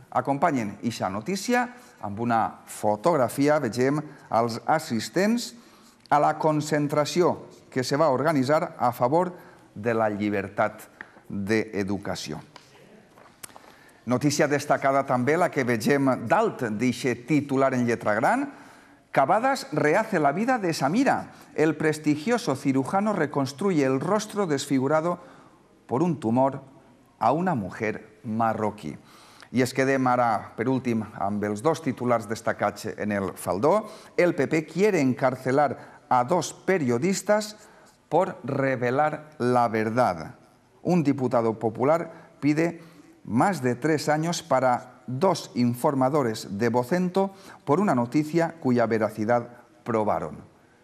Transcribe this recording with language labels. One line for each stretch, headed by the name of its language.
Catalan: Acompanyen ixa notícia amb una fotografia, vegem els assistents a la concentració que se va organitzar a favor de la llibertat d'educació. Notícia destacada també la que vegem dalt d'ixe titular en lletra gran.
Spanish: Cavadas rehace la vida de Samira. El prestigioso cirujano reconstruye el rostro desfigurado por un tumor a una mujer marroquí.
Catalan: I es quedem ara, per últim, amb els dos titulars destacats en el Faldó.
Spanish: El PP quiere encarcelar a 2 periodistas por revelar la verdad. Un diputado popular pide más de 3 años para 2 informadores de Vocento por una noticia cuya veracidad probaron.